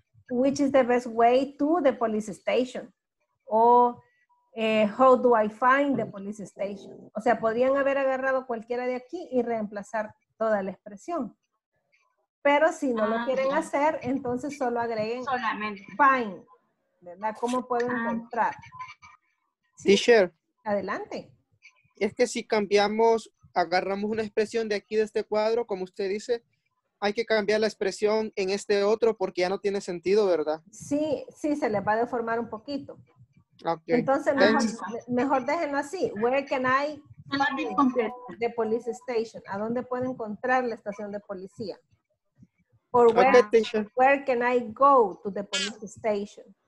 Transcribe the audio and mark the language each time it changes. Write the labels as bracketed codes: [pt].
[en] Which is the best way to the police station? O, how do I find the police station? [es] O sea, podrían haber agarrado cualquiera de aquí y reemplazar toda la expresión. Pero si no lo quieren hacer, entonces solo agreguen solamente find, ¿verdad? ¿Cómo puedo encontrar? ¿Sí? T-shirt. Adelante. Es que si cambiamos, agarramos una expresión de aquí, de este cuadro, como usted dice, hay que cambiar la expresión en este otro porque ya no tiene sentido, ¿verdad? Sí, sí, se le va a deformar un poquito. Okay. Entonces, mejor déjenlo así. [en] Where can I find the police station? [es] ¿A dónde puedo encontrar la estación de policía? [en] Or where can I go to the police station?